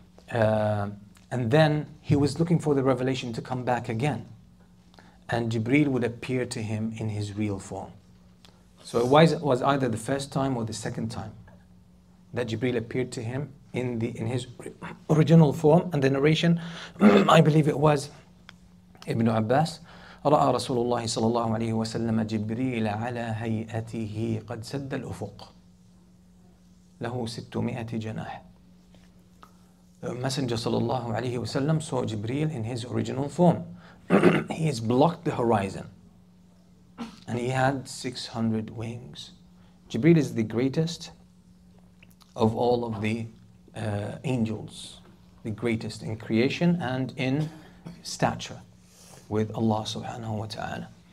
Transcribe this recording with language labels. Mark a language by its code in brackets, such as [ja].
[en] And then he was looking for the revelation to come back again, and Jibreel would appear to him in his real form. So it was either the first time or the second time that Jibreel appeared to him in his original form. And the narration, I believe it was Ibn Abbas, [ar] رأى رسول الله صلى الله عليه وسلم جبريل على هيئته قد سد الأفق له 600 جناح. [en] The Messenger [ar] صلى الله عليه وسلم [en] saw Jibreel in his original form. He has blocked the horizon, and he had 600 wings. Jibreel is the greatest of all of the angels, the greatest in creation and in stature with Allah subhanahu wa ta'ala.